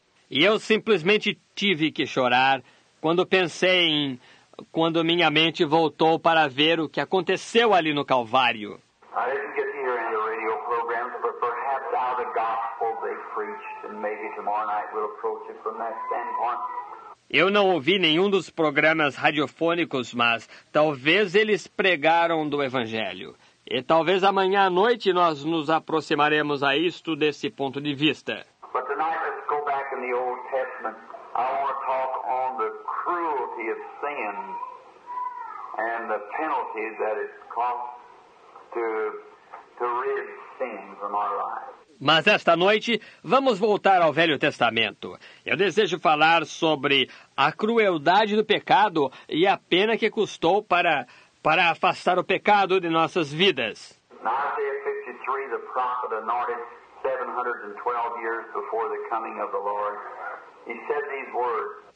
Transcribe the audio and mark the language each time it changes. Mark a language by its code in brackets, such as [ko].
[pt] E eu simplesmente tive que chorar quando pensei em... quando minha mente voltou para ver o que aconteceu ali no Calvário. [en] I didn't get to hear any radio programs, but perhaps out of the gospel. maybe tomorrow night we'll approach it from that standpoint. [pt] Eu não ouvi nenhum dos programas radiofônicos, mas talvez eles pregaram do Evangelho. E talvez amanhã à noite nós nos aproximaremos a isto desse ponto de vista. [en] But tonight, let's go back in the Old Testament. I want to talk on the cruelty of sin and the penalties that it costs to rid sin from our lives. [pt] Mas esta noite, vamos voltar ao Velho Testamento. Eu desejo falar sobre a crueldade do pecado e a pena que custou para afastar o pecado de nossas vidas. Na Isaías 53, o profeta [en] anointed [pt] 712 anos antes da vinda do Senhor, disse estas palavras.